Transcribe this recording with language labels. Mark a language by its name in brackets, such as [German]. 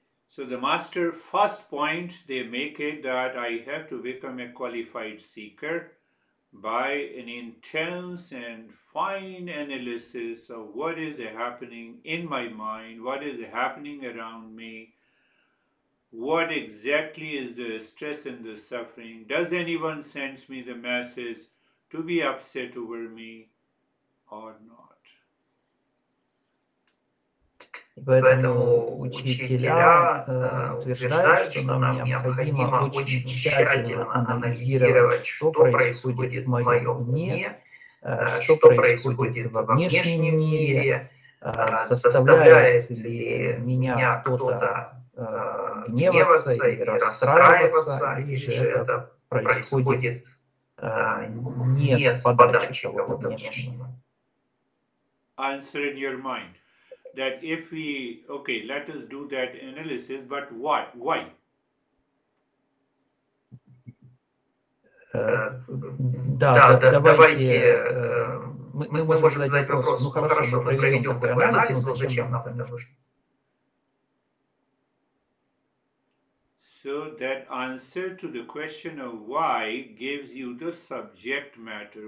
[English] So the master, first point they make it that I have to become a qualified seeker by an intense and fine analysis of what is happening in my mind, what is happening around me, what exactly is the stress and the suffering, does anyone send me the message to be upset over me or not. [Russian] Поэтому учителя утверждают, что нам необходимо очень тщательно анализировать, что происходит в моем уме, что происходит во внешнем мире, составляет ли меня кто-то гневаться и расстраиваться, или же это происходит не с подачи чего-то внешнего. [English] Answer in your mind. That if we, okay, let us do that analysis, but what, why? So that answer to the question of why gives you the subject matter.